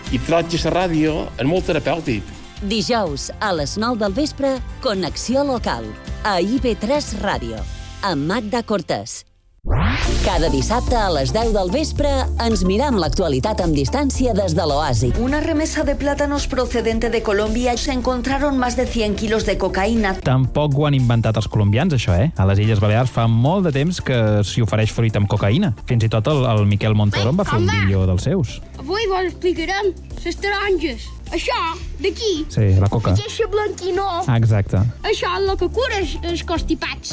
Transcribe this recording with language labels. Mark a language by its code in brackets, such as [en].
[ca] I trobar-se a la ràdio és molt terapèutic. Dijous, a les 9 del vespre, Connexió Local, a IB3 Ràdio, amb Magda Cortés. Cada dissabte a les 10 del vespre ens miram l'actualitat amb distància des de l'oasi. [es] Una remesa de plátanos procedente de Colombia se encontraron más de 100 kilos de cocaína. [ca] Tampoc ho han inventat els colombians, això, eh? A les Illes Balears fa molt de temps que s'hi ofereix fruit amb cocaína. Fins i tot el Miquel Montoro va fer un vídeo dels seus. Avui vos explicarem les taronges. Això d'aquí. Sí, la coca. Aquesta blanquinó. Ah, exacte. Això és el que cura els constipats.